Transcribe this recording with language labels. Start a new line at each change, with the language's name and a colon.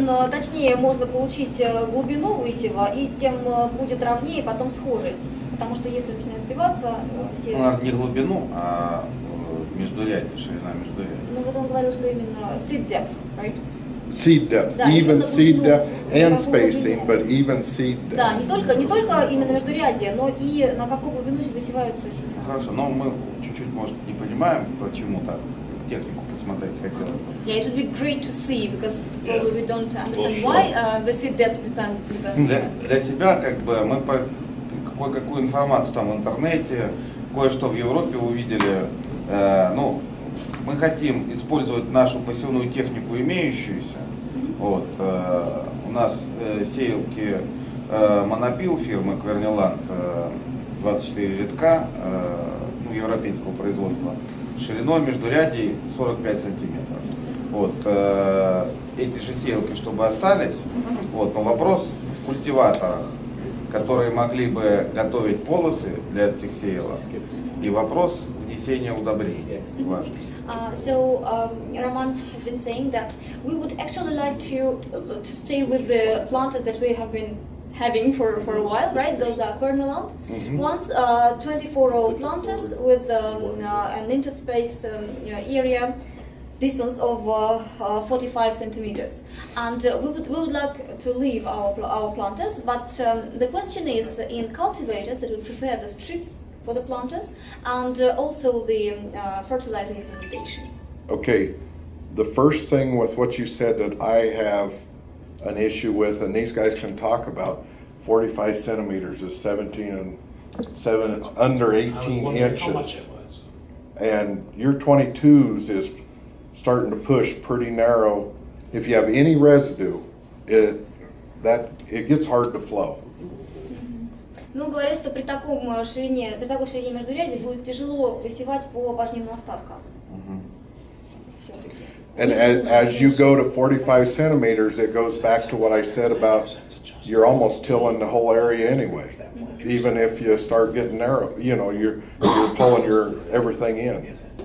Russian: точнее можно получить глубину высева, и тем будет ровнее потом схожесть. Потому что если начинает сбиваться, все... Ну, не глубину, а междурядье, ширина междурядья. Ну, вот он говорил, что именно seed depth,
English: right? Seed depth, да, even seed depth and spacing, but even seed depth.
Russian: Да, не только именно междурядье, но и на какую глубину высеваются семена. Хорошо, но мы чуть-чуть, может, не понимаем, почему так. Технику посмотреть хотелось бы.
English: Yeah, it would be great to see, because probably we don't understand why the seed depth depends.
Russian: Для себя, как бы, мы по какую информацию там в интернете, кое-что в Европе увидели. Ну, мы хотим использовать нашу посевную технику имеющуюся. Вот, у нас сеялки Монопил фирмы Кверниланд 24 витка европейского производства, шириной междурядий 45 сантиметров. Вот, эти же сеялки, чтобы остались, вот, но вопрос в культиваторах, которые могли бы готовить полосы для этих сеялок, и вопрос внесения удобрений важен.
English: Roman has been saying that we would actually like to stay with the planters that we have been having for a while, right? Those are Kverneland. Mm-hmm. Once 24 planters with an interspaced area distance of 45 centimeters, and we would like to leave our planters. But the question is, in cultivators that would prepare the strips for the planters, and also the fertilizing implementation. Okay, the first thing with what you said that I have an issue with, and these guys can talk about, 45 centimeters is 17 and 7, under 18 inches, and your 22s is starting to push pretty narrow. If you have any residue, it gets hard to flow.
Russian: Ну, говорят, что при таком ширине, при такой ширине междуряди будет тяжело высевать по важным остаткам.
English: And as you go to 45 centimeters, it goes back to what I said about you're almost tilling the whole area anyway. Even if you start getting narrow, you know, you're pulling your everything in.